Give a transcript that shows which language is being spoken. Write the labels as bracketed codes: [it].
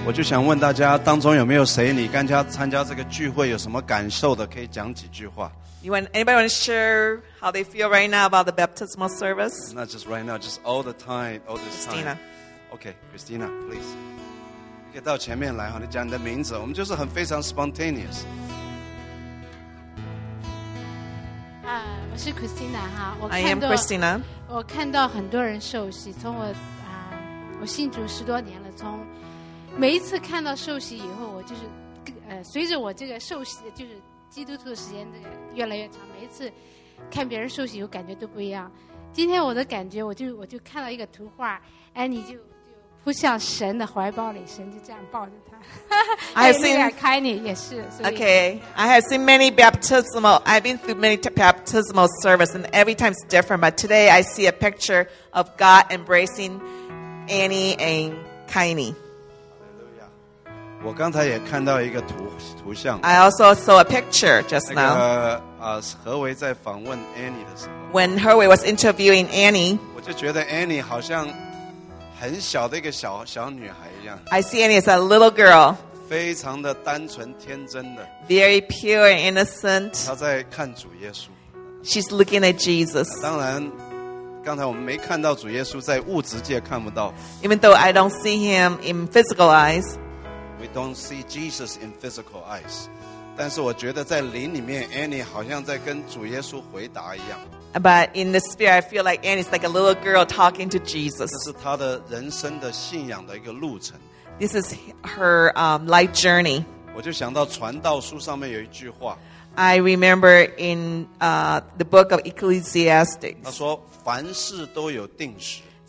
[zh] 我就想问大家，当中有没有谁你刚加参加这个聚会有什么感受的？可以讲几句话。 [en] Anybody want to share how they feel right now about the baptismal service? Not just right now, just all the time, all the time. Christina, okay, Christina, please. [zh] 可以到前面来哈，你讲你的名字。我们就是很非常 spontaneous。我是 Christina 哈，我看到 [en] I am Christina. [zh] 我看到很多人受洗，从我我信主十多年了，从每一次看到受洗以后，我就是随着我这个受洗就是基督徒的时间越来越长，每一次看别人受洗，有感觉都不一样。今天我的感觉，我就看到一个图画，哎，你就扑向神的怀抱里，神就这样抱着他。 [en] I have seen. Okay, I have seen many baptismal. I've been through many baptismal service, and every time it's different. But today, I see a picture of God embracing Annie and Kaini. Hallelujah. [zh] 我刚才也看到一个图像 [en] I also saw a picture just now. [zh] 何维在访问 Annie 的时候 [en] When 何维 was interviewing Annie, [zh] 我就觉得 Annie 好像很小的一个小女孩。 [en] I see Annie as a little girl. [zh] 非常的单纯天真的。 [en] Very pure and innocent. [zh] 她在看主耶稣。 [en] She's looking at Jesus. [zh] 当然，刚才我们没看到主耶稣在物质界看不到。 [en] Even though I don't see him in physical eyes. We don't see Jesus in physical eyes. [zh] 但是我觉得在灵里面 ，Annie 好像在跟主耶稣回答一样。 [en] But in the spirit, I feel like Annie's like a little girl talking to Jesus. [zh] 这是她的人生的信仰的一个路程。 [en] This is her life journey. [zh] 我就想到传道书上面有一句话。 [en] I remember in the book of Ecclesiastes. [zh] 他说凡事都有定时。